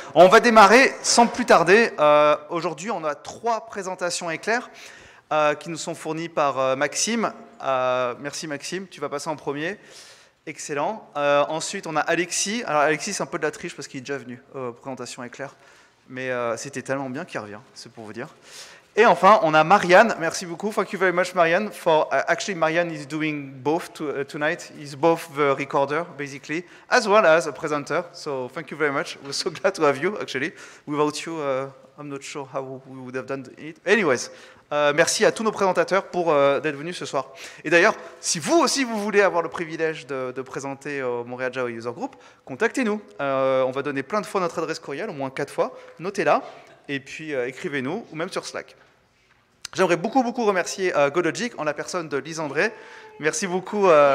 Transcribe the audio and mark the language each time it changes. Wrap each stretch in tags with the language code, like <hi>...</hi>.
<fr>On va démarrer sans plus tarder. Aujourd'hui, on a trois présentations éclair qui nous sont fournies par Maxime. Merci Maxime, tu vas passer en premier. Excellent. Ensuite, on a Alexis. Alors Alexis, c'est un peu de la triche parce qu'il est déjà venu aux présentations éclair. Mais c'était tellement bien qu'il revient, c'est pour vous dire. Et enfin, on a Marianne. Merci beaucoup.</fr> <en>Thank you very much,</en> <fr>Marianne.</fr> <en>Actually, Marianne is doing both tonight. He's both the recorder, basically, as well as a presenter. So thank you very much. We're so glad to have you, actually. Without you, I'm not sure how we would have done it.</en> <fr>Anyways, merci à tous nos présentateurs pour d'être venus ce soir. Et d'ailleurs, si vous aussi, vous voulez avoir le privilège de présenter au Montréal Java User Group, contactez-nous. On va donner plein de fois notre adresse courriel, au moins 4 fois. Notez-la. Et puis écrivez-nous, ou même sur Slack. J'aimerais beaucoup, beaucoup remercier GoLogic en la personne de Lise André. Merci beaucoup.</fr>